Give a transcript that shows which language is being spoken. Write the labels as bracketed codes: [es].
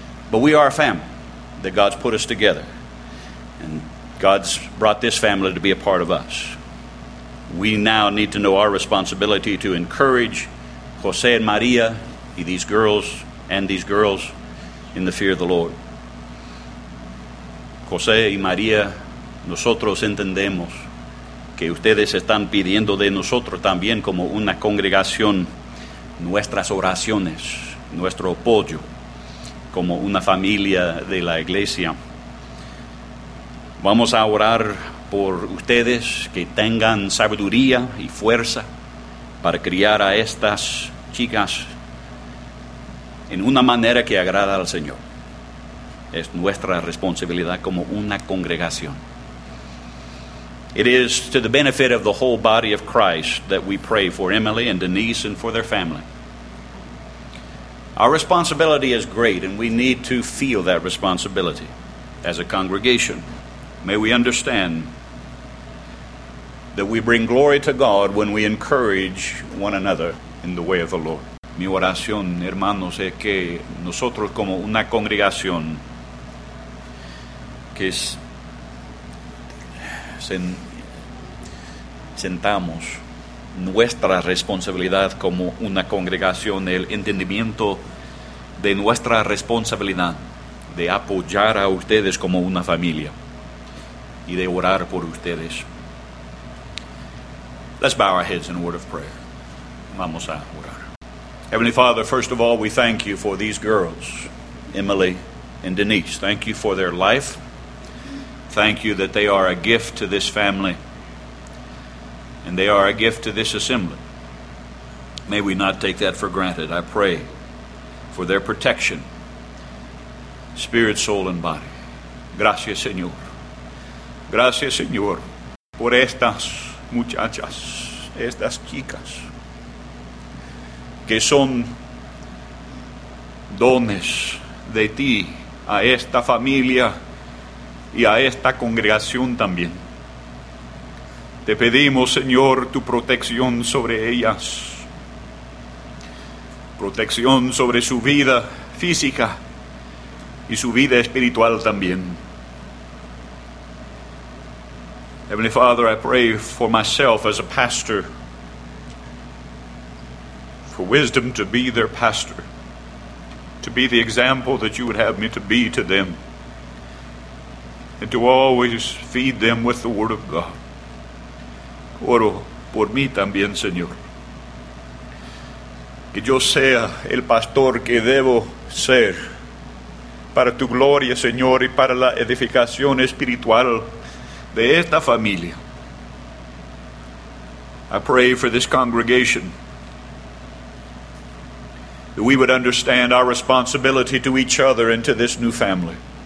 [en] But we are a family that God's put us together. And God's brought this family to be a part of us. We now need to know our responsibility to encourage José and María y these girls in the fear of the Lord. [es] José y María, nosotros entendemos que ustedes están pidiendo de nosotros también como una congregación nuestras oraciones, nuestro apoyo como una familia de la iglesia. Vamos a orar por ustedes que tengan sabiduría y fuerza para criar a estas chicas en una manera que agrada al Señor. Es nuestra responsabilidad como una congregación. [en] It is to the benefit of the whole body of Christ that we pray for Emily and Denise and for their family. Our responsibility is great, and we need to feel that responsibility as a congregation. May we understand that we bring glory to God when we encourage one another in the way of the Lord. [es] Mi oración, hermanos, es que nosotros como una congregación que sentamos nuestra responsabilidad como una congregación, el entendimiento de nuestra responsabilidad de apoyar a ustedes como una familia y de orar por ustedes. [en] Let's bow our heads in a word of prayer. [es] Vamos a orar. [en] Heavenly Father, first of all, we thank you for these girls, Emily and Denise. Thank you for their life. Thank you that they are a gift to this family, and they are a gift to this assembly. May we not take that for granted. I pray for their protection, spirit, soul, and body. [es] Gracias, Señor. Gracias, Señor, por estas muchachas, estas chicas, que son dones de ti a esta familia y a esta congregación también. Te pedimos, Señor, tu protección sobre ellas. Protección sobre su vida física y su vida espiritual también. [en] Heavenly Father, I pray for myself as a pastor, for wisdom to be their pastor, to be the example that you would have me to be to them, and to always feed them with the Word of God. [es] Oro por mí también, Señor. Que yo sea el pastor que debo ser para tu gloria, Señor, y para la edificación espiritual de esta familia. [en] I pray for this congregation that we would understand our responsibility to each other and to this new family.